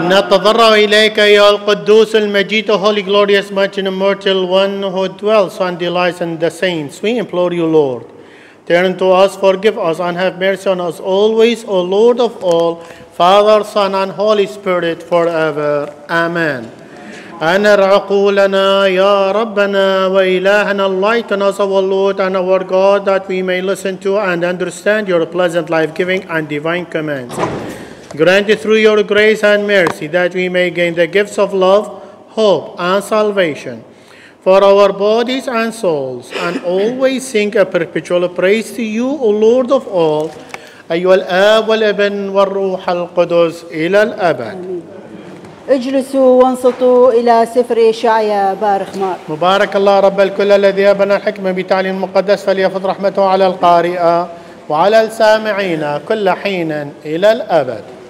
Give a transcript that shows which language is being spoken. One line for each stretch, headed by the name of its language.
Arabic: تضرعوا إليك يا القدوس المجيد
English: Holy Glorious Much and Immortal One who dwells and delights in the saints. We implore you, Lord. Turn to us, forgive us, and have mercy on us always, O Lord of all, Father, Son, and Holy Spirit forever. Amen.
Arabic: أنر عقولنا يا ربنا وإلهنا
English: Enlighten us, O Lord, and our God, that we may listen to and understand your pleasant, life-giving, and divine commands. Grant it through your grace and mercy that we may gain the gifts of love, hope, and salvation for our bodies and souls, and always sing a perpetual praise to you, O Lord of all.
Arabic: أيها الآب والابن والروح القدس إلى الأبد. اجلسوا وانصتوا إلى سفر إشعياء بارخ مار. مبارك الله رب الكل الذي أبنى الحكمة بتعليم المقدس فليفض رحمته على القارئة وعلى السامعين كل حين إلى الأبد.